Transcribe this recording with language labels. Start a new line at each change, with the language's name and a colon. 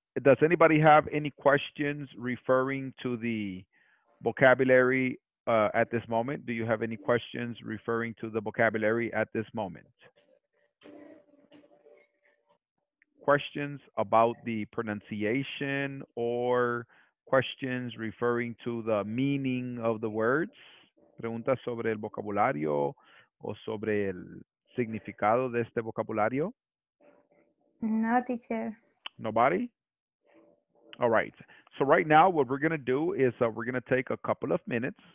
English: Does anybody have any questions referring to the vocabulary at this moment? Do you have any questions referring to the vocabulary at this moment? Questions about the pronunciation or questions referring to the meaning of the words?
Spanish: Preguntas sobre el vocabulario o sobre el significado de este vocabulario?
English: No, teacher. Nobody? All right. So right now, what we're going to do is we're going to take a couple of minutes.